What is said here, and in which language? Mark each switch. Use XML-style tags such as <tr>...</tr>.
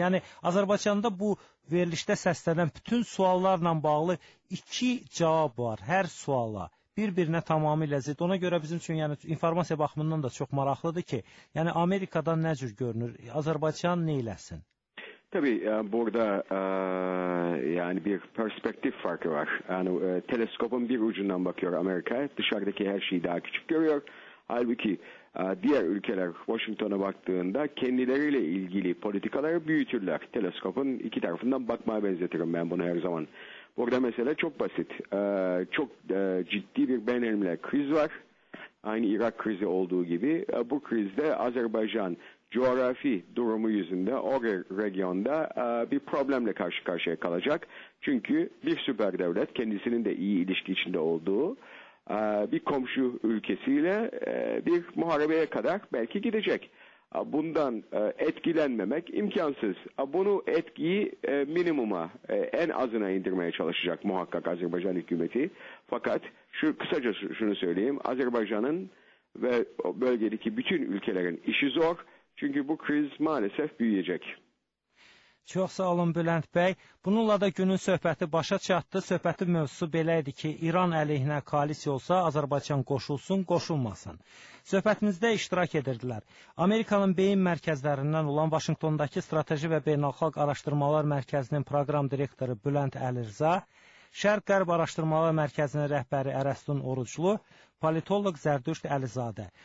<az>Yəni, Azərbaycanda bu verilişdə səslənən bütün suallarla bağlı iki cavab var hər suala. Bir-birinə tamamilə zidd. Ona görə bizim üçün yəni, informasiya baxımından da çox maraqlıdır ki, yəni Amerikadan nə cür görünür, Azərbaycan nə eləsin? Təbii, burada yəni bir perspektiv farkı var.</az> <tr>Yəni, teleskopun bir ucundan bakıyor Amerika'ya, dışarıdakı her şeyi daha küçük görüyor. Halbuki diğer ülkeler Washington'a baktığında kendileriyle ilgili politikaları büyütürler. Teleskopun iki tarafından bakmaya benzetirim ben bunu her zaman. Burada mesele çok basit. Çok ciddi bir benzerimle kriz var. Aynı İrak krizi olduğu gibi. Bu krizde Azerbaycan coğrafi durumu yüzünde o regionda bir problemle karşı karşıya kalacak. Çünkü bir süper devlet kendisinin de iyi ilişki içinde olduğu bir komşu ülkesiyle bir muharebeye kadar belki gidecek. Bundan etkilenmemek imkansız. Bunu etkiyi minimuma, en azına indirmeye çalışacak muhakkak Azerbaycan hükümeti. Fakat kısaca şunu söyleyeyim. Azerbaycan'ın ve bölgedeki bütün ülkelerin işi zor. Çünkü bu kriz maalesef büyüyecek.</tr> <az>Çox sağ olun, Bülent bəy. Bununla da günün söhbəti başa çatdı. Söhbətin mövzusu belə idi ki, İran əleyhinə koalisiya olsa, Azərbaycan qoşulsun, qoşulmasın. Söhbətinizdə iştirak edirdilər. Amerikanın beyin mərkəzlərindən olan Vaşinqtondakı Strateji və Beynəlxalq Araşdırmalar Mərkəzinin proqram direktoru Bülent Əlirza, Şərq-Qərb Araşdırmalar Mərkəzinin rəhbəri Ərəstun Oruclu, politoloq Zərdüşt Əlizadə.</az>